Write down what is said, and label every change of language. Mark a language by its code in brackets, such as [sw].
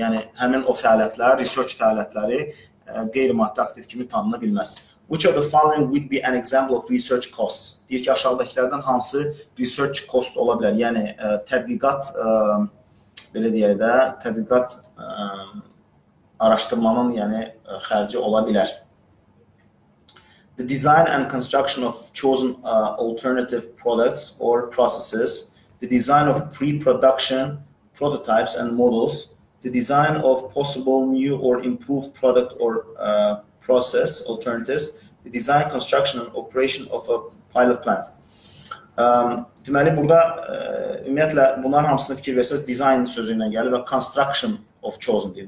[az] Yəni, həmin o fəaliyyətlər, research fəaliyyətləri qeyri-maddi aktiv kimi tanına bilməz. [en] Which of the following would be an example of research costs? [az] Deyir ki, aşağıdakilərdən hansı research cost ola bilər? Yəni, tədqiqat, belə deyək də, tədqiqat araşdırmanın yəni, xərci ola bilər. [en] The design and construction of chosen alternative products or processes, the design of pre-production prototypes and models, the design of possible new or improved product or process alternatives, the design, construction and operation of a pilot plant. [az] Deməli, burada ümumiyyətlə bunların hamısını fikir versəz design sözü ilə gəlir və [en] construction of chosen [az] deyir.